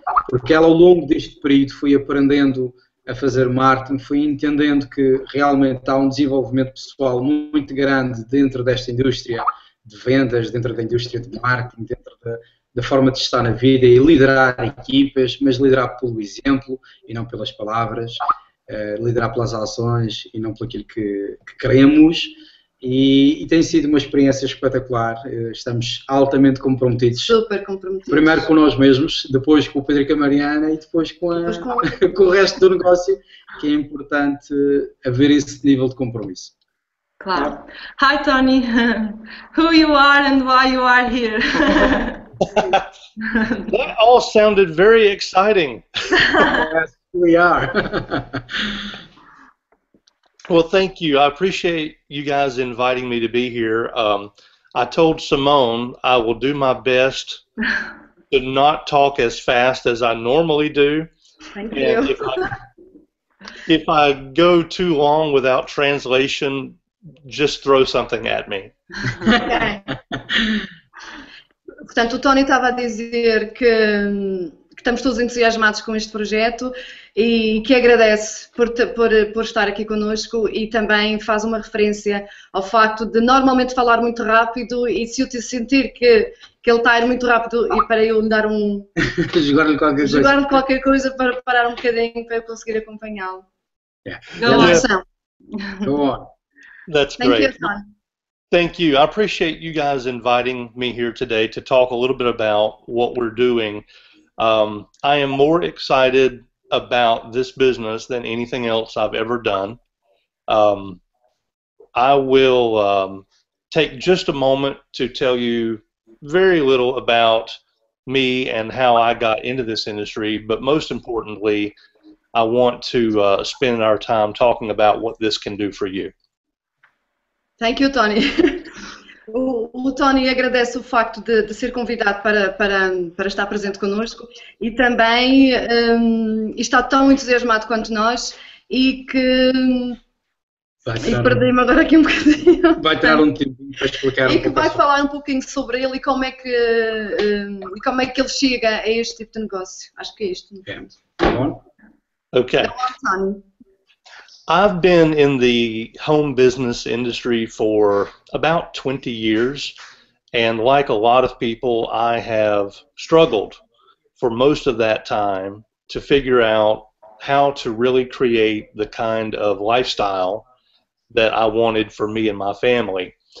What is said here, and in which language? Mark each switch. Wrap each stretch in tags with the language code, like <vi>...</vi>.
<pt>porque ela, ao longo deste período, foi aprendendo a fazer marketing, foi entendendo que realmente há um desenvolvimento pessoal muito grande dentro desta indústria de vendas, dentro da indústria de marketing, dentro da forma de estar na vida e liderar equipas, mas liderar pelo exemplo e não pelas palavras, liderar pelas ações e não pelo aquilo que queremos. E tem sido uma experiência espetacular, estamos altamente comprometidos. Super comprometidos. Primeiro com nós mesmos, depois com o Pedro e com a Mariana e depois com o resto do negócio, que é importante haver esse nível de compromisso. Claro.</pt> <en>Hi Tony, who you are and why you are here? That all sounded very exciting. Yes, we are. Well, thank you. I appreciate you guys inviting me to be here. I told Simone I will do my best to not talk as fast as I normally do. Thank you. If I go too long without translation, just throw something at me. Okay.</en> <pt>Portanto, o Tony estava a dizer que estamos todos entusiasmados com este projeto e que agradece por estar aqui connosco e também faz uma referência ao facto de normalmente falar muito rápido e se eu te sentir que ele está a ir muito rápido e para eu dar um... jogar-lhe qualquer coisa para parar um bocadinho para eu conseguir acompanhá-lo.</pt> <en>Yeah. Go on. That's great. Thank you, Tony. Thank you. I appreciate you guys inviting me here today to talk a little bit about what we're doing. I am more excited about this business than anything else I've ever done. I will take just a moment to tell you very little about me and how I got into this industry, but most importantly, I want to spend our time talking about what this can do for you. Thank you, Tony.</en> <pt>O Tony agradece o facto de ser convidado para estar presente connosco e também está tão entusiasmado quanto nós e que... perdi-me agora aqui um bocadinho. Vai ter um tempo para explicar. E que vai falar um pouquinho sobre ele e como é que ele chega a este tipo de negócio. Acho que é isto. Okay. Então, Tony.</pt> <en>I've been in the home business industry for about 20 years, and like a lot of people, I have struggled for most of that time to figure out how to really create the kind of lifestyle that I wanted for me and my family.</en>